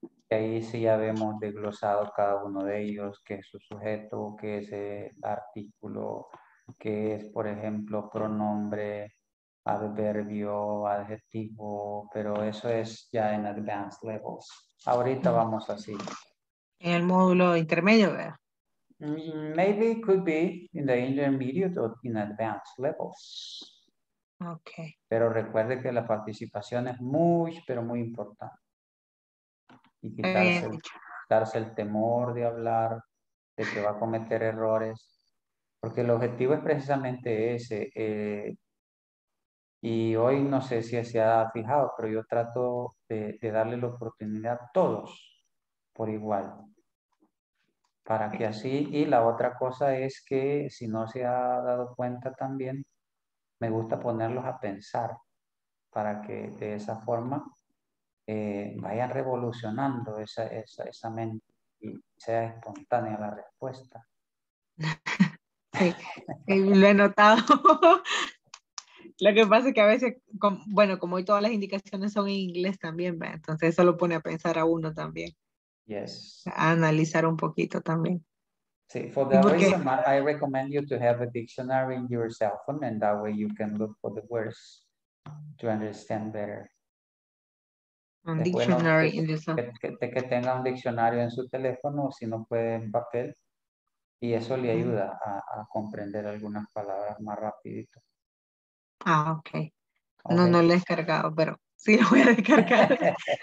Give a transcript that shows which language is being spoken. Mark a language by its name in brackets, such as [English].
[Spanish] Y ahí sí ya vemos desglosado cada uno de ellos, qué es su sujeto, qué es el artículo, qué es, por ejemplo, pronombre, adverbio, adjetivo, pero eso es ya en [English] advanced levels. [Spanish] Ahorita vamos así. ¿En el módulo intermedio, verdad? [English] Maybe it could be in the intermediate or in advanced levels. Okay. [Spanish] Pero recuerde que la participación es muy, pero muy importante. Y quitarse el temor de hablar, de que va a cometer errores. Porque el objetivo es precisamente ese. Y hoy no sé si se ha fijado, pero yo trato de darle la oportunidad a todos por igual. Para que así, y la otra cosa es que si no se ha dado cuenta también, me gusta ponerlos a pensar para que de esa forma vayan revolucionando esa mente y sea espontánea la respuesta. Sí, lo he notado. Lo que pasa es que a veces, como hoy todas las indicaciones son en inglés también, ¿verdad? Entonces eso lo pone a pensar a uno también. [English] Yes. [Spanish] A analizar un poquito también. [English] Sí, for that reason, I recommend you to have a dictionary in your cell phone, and that way you can look for the words to understand better. Un dictionary in your cell phone. [Spanish] Que tenga un diccionario en su teléfono, si no puede en papel, y eso le ayuda a comprender algunas palabras más rapidito. Ah, okay. No, no lo he descargado, pero sí lo voy a descargar.